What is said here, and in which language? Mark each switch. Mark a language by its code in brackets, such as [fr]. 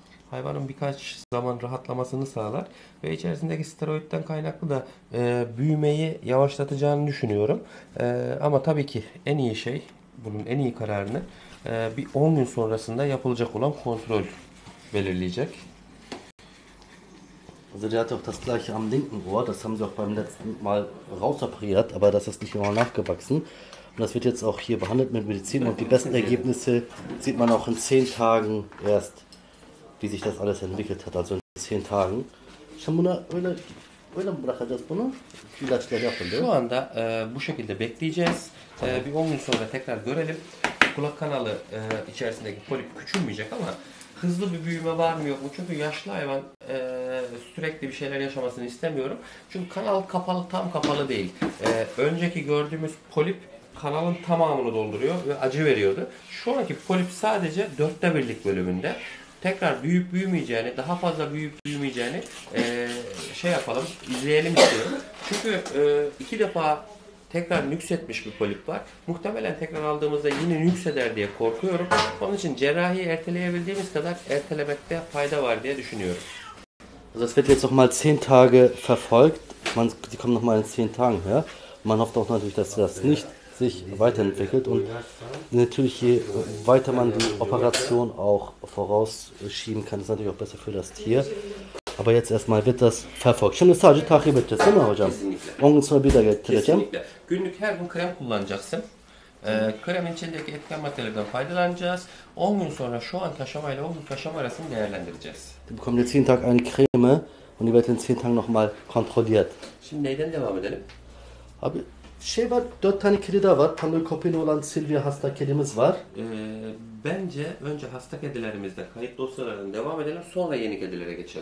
[tr] Hayvanın birkaç zaman rahatlamasını sağlar ve içerisindeki steroidden kaynaklı da büyümeyi yavaşlatacağını düşünüyorum. Ama tabii ki en iyi şey, bunun en iyi kararını bir 10 gün sonrasında yapılacak olan kontrol belirleyecek. [de] Also der hat auch das gleiche am linken Ohr, das haben sie auch beim letzten Mal rausoperiert, aber das ist nicht immer nachgewachsen. Und das wird jetzt auch hier behandelt mit Medizin und die besten Ergebnisse sieht man auch in 10 Tagen erst. Wie sich das alles entwickelt hat, also in 10 Tagen. Schon [tr] buna öyle öyle mi bırakacağız bunu? İlaçları yapın Şu diyor. anda bu şekilde bekleyeceğiz. Tamam. Bir 10 gün sonra tekrar görelim. Kulak kanalı içerisindeki polip küçülmeyecek ama hızlı bir büyüme var mı yok mu? Çünkü yaşlı hayvan sürekli bir şeyler yaşamasını istemiyorum. Çünkü kanal kapalı, tam kapalı değil. Önceki gördüğümüz polip kanalın tamamını dolduruyor ve acı veriyordu. Şu anki polip sadece 1/4 birlik bölümünde. Tekrar büyüyüp büyümeyeceğini, daha fazla büyüyüp büyümeyeceğini şey yapalım, izleyelim istiyorum. Çünkü iki defa tekrar nüksetmiş bir polip var. Muhtemelen tekrar aldığımızda yine nükseder diye korkuyorum. Onun için cerrahiyi erteleyebildiğimiz kadar ertelemekte fayda var diye düşünüyorum. [de] Also es wird jetzt noch mal 10 Tage verfolgt. Sie kommen noch mal in 10 Tagen her. Man hofft auch natürlich, dass das nicht sich weiterentwickelt und natürlich je weiter man die Operation auch vorausschieben kann, ist natürlich auch besser für das Tier. Aber jetzt erstmal wird das verfolgt. [tr] Şimdi sadece takip edeceğiz, değil mi hocam? Kesinlikle. 10 gün sonra bir daha getireceğim. Kesinlikle. Günlük her gün krem kullanacaksın. Kremin içindeki etken maddelerden faydalanacağız. 10 gün sonra şu an aşama ile 10 gün aşama arasını değerlendireceğiz. [de] Du bekommst jetzt jeden Tag eine Creme und die wird in 10 Tagen nochmal kontrolliert. [tr] Şimdi neyden devam edelim? Abi şey var, 4 tane kedi daha var. Pandokopini olan Silvia hasta kedimiz var. Bence önce hasta kedilerimizle kayıt dosyalarından devam edelim, sonra yeni kedilere geçelim.